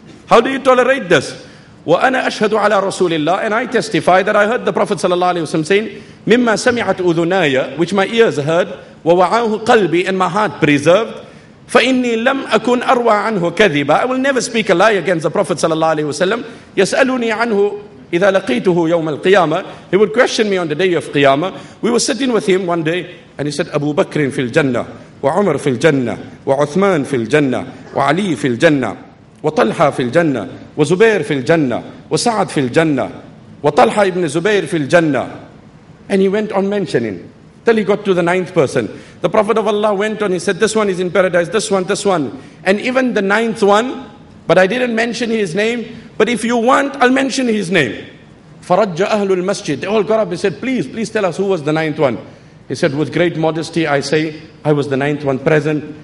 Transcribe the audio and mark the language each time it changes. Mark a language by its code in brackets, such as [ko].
[en] How do you tolerate this?" [ar] وَأَنَا أَشْهَدُ عَلَى رَسُولِ اللَّهِ [en] And I testify that I heard the Prophet sallallahu alayhi wa sallam saying, [ar] مِمَّا سَمِعَتْ أُذُنَايَ [en] Which my ears heard, [ar] وَوَعَاهُ قَلْبِي [en] And my heart preserved, [ar] فَإِنِّي لَمْ أَكُنْ أَرْوَى عَنْهُ كَذِبًا [en] I will never speak a lie against the Prophet sallallahu alayhi wa sallam. [ar] يَسْأَلُنِي عَنْهُ إِذَا لَقِيْتُهُ يَوْمَ الْقِيَامَةِ [en] He would question me on the day of Qiyamah. We were sitting with him one day, and he said, [ar] أَبُو بَكْرٍ فِي الْجَنَّةِ وَعُمَرٍ فِي الْجَنَّةِ وَعُثْمَانٍ فِي الْجَنَّةِ وَعَلِيٍ فِي الْجَنَّةِ وَطَلْحَةٍ فِي الْجَنَّةِ وَزُبَيْرٍ فِي الْجَنَّةِ وَسَعَدٍ فِي الْجَنَّةِ وَطَلْحَةٍ ابْنِ زُبَيْرٍ فِي الْجَنَّةِ [en] And he went on mentioning, till he got to the ninth person. The Prophet of Allah went on, he said, this one is in paradise, this one, this one. And even the ninth one, but I didn't mention his name, but if you want, I'll mention his name. Faraja Ahlul Masjid. They all got up and said, please, please tell us who was the ninth one. He said, with great modesty, I say, I was the ninth one present.